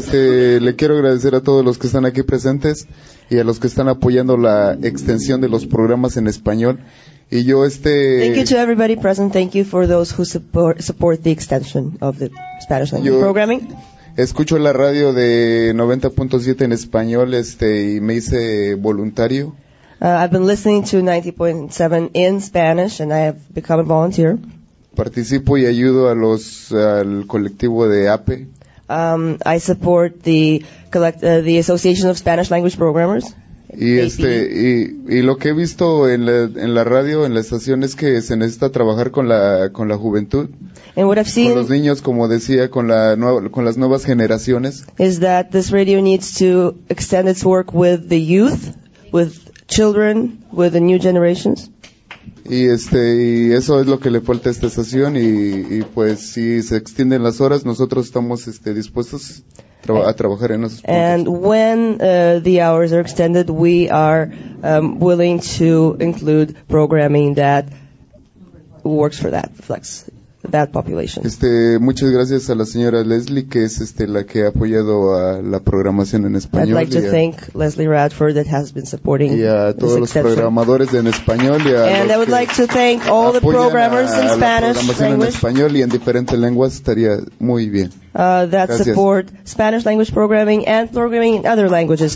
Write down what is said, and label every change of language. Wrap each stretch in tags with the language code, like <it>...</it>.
<es>Le quiero agradecer a todos los que están aquí presentes y a los que están apoyando la extensión de los programas en español. Y yo</es> <en>Thank you to everybody present. Thank you for those who support the extension of the Spanish language programming.</en> <es>Escucho la radio de 90.7 en español, y me hice voluntario.</es> <en>I've been listening to 90.7 in Spanish, and I have become a volunteer.</en> <es>Participo y ayudo a al colectivo de APE.</es> <en>I support the Association of Spanish Language Programmers.</en> <es>Y lo que he visto en la radio, en la estación, es que se necesita trabajar con la juventud, con los niños, como decía, con las nuevas generaciones.</es> <en>Is that this radio needs to extend its work with the youth, with children, with the new generations?</en> <es>Y eso es lo que le falta a esta estación, y pues si se extienden las horas, nosotros estamos dispuestos a trabajar en esos puntos.</es> <en>And when the hours are extended, we are willing to include programming that works for that, reflects that population.</en> <es>Muchas gracias a la señora Leslie, que es la que ha apoyado a la programación en español.</es> <en>I'd like to thank Leslie Radford that has been supporting</en> <es>y a todos los programadores en español.</es> <en>And I would like to thank all the programmers in Spanish language.</en> <es>En español y en diferentes lenguas estaría muy bien. Gracias.</es> <en>Support Spanish language programming and programming in other languages.</en>